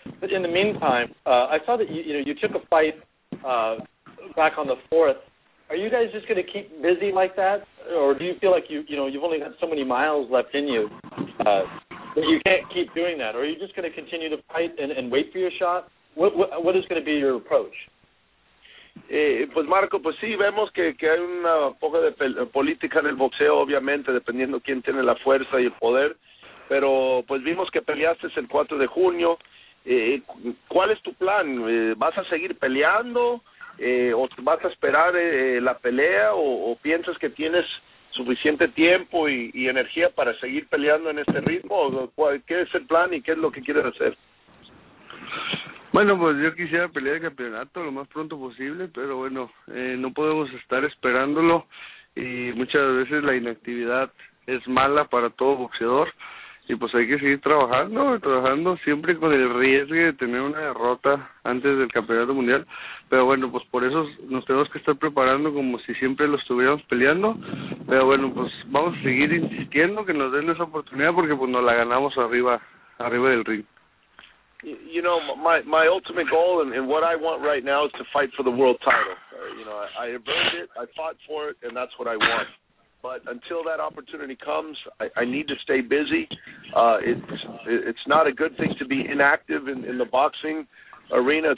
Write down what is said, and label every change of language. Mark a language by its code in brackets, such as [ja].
[en] But in the meantime, I saw that you took a fight back on the 4th. Are you guys just going to keep busy like that, or do you feel like you've only got so many miles left in you that you can't keep doing that? Or are you just going to continue to fight and wait for your shot? What is going to be your approach? [es] Pues Marco, pues sí, vemos que hay una poca de política en el boxeo, obviamente, dependiendo quién tiene la fuerza y el poder. Pero pues vimos que peleaste el 4 de junio. ¿Cuál es tu plan? ¿Vas a seguir peleando o vas a esperar la pelea o piensas que tienes suficiente tiempo y energía para seguir peleando en este ritmo? ¿Qué es el plan y qué es lo que quieres hacer? Bueno, pues yo quisiera pelear el campeonato lo más pronto posible, pero bueno, no podemos estar esperándolo y muchas veces la inactividad es mala para todo boxeador. Y pues hay que seguir trabajando siempre con el riesgo de tener una derrota antes del campeonato mundial. Pero bueno, pues por eso nos tenemos que estar preparando como si siempre lo estuviéramos peleando. Pero bueno, pues vamos a seguir insistiendo que nos den esa oportunidad porque pues nos la ganamos arriba del ring. [en] You know, my ultimate goal and what I want right now is to fight for the world title. I earned it, I fought for it, and that's what I want. But until that opportunity comes, I need to stay busy. It's not a good thing to be inactive in the boxing arena.